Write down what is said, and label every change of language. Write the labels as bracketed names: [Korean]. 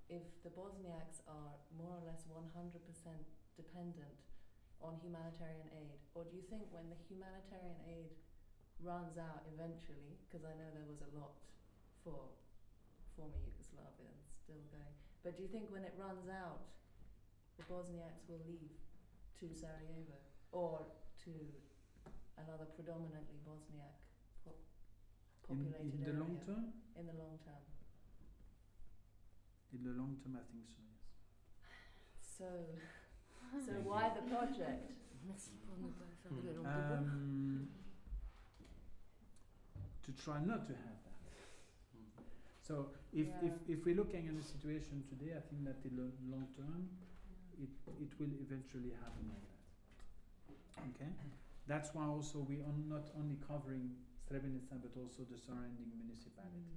[English] If the Bosniaks are more or less 100% dependent on humanitarian aid, or do you think when the humanitarian aid runs out eventually, because I know there was a lot for former Yugoslavia and still going, but do you think when it runs out, the Bosniaks will leave to Sarajevo or to another predominantly Bosniak populated area? In the long term? In the long term. In the long term, I think so, yes. So why the project? [French] Merci pour ne pas faire de la langue de bois. [English] To try not to have that. So if we're looking at the situation today, I think that in the long term, it will eventually happen like that. Okay? That's why also we are not only covering Srebrenica, but also the surrounding municipalities.